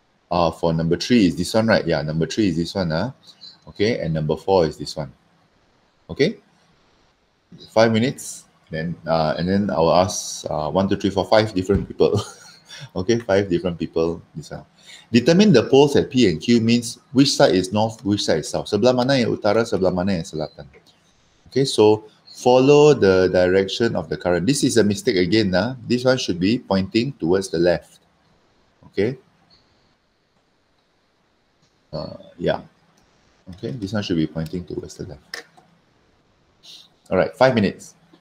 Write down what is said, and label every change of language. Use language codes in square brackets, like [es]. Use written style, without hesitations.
[en] For number three is this one, right? Yeah, number three is this one. Okay, and number four is this one. Okay, 5 minutes. Then and then I will ask 1, 2, 3, 4, 5 different people. Okay, 5 different people. This one. Determine the poles at P and Q means which side is north, which side is south. [ms] Sebelah mana yang utara, sebelah mana yang selatan. [en] Okay, so follow the direction of the current. This is a mistake again. This one should be pointing towards the left. Okay. Yeah. Okay, this one should be pointing towards the left. All right, 5 minutes.